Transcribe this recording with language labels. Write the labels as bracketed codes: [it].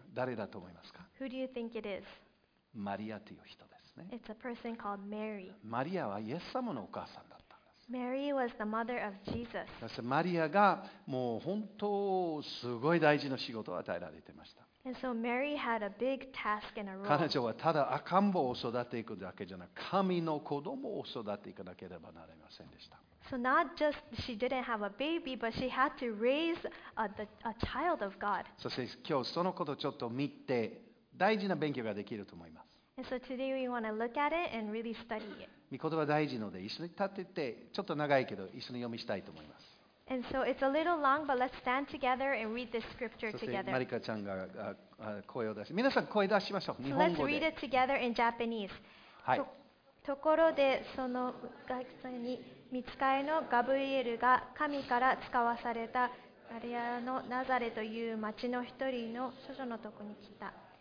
[ja] 誰だと思いますか? [en] Who do you think it is? [ja] マリアという人ですね。 [en] It's a person called Mary. [ja] マリアはイエス様のお母さんだったんです。 [en] Mary was the mother of Jesus. [ja] そしてマリアがもう本当すごい大事な仕事を与えられていました。 [en] And so Mary had a big task and a role. [ja] 彼女はただ赤ん坊を育てていくだけじゃなく、神の子供を育てていかなければなりませんでした。 [en] So not just she didn't have a baby, but she had to raise a child of God. [ja] そして今日そのことをちょっと見て大事な勉強ができると思います。 [en] And so today we want to look at it and really study it. 御 [ja] 言葉大事ので一緒に立ってて、ちょっと長いけど一緒に読みしたいと思います。 [en] And so it's a little long, but let's stand together and read this scripture together. [ja] マリカちゃんが声を出し、皆さん声出しましょう。日本語で。 [en] So let's read it together in Japanese. [ja] はい。ところでその学生に御使いのガブリエルが神から使わされたマリアのナザレという町の一人の処女のとこに来た。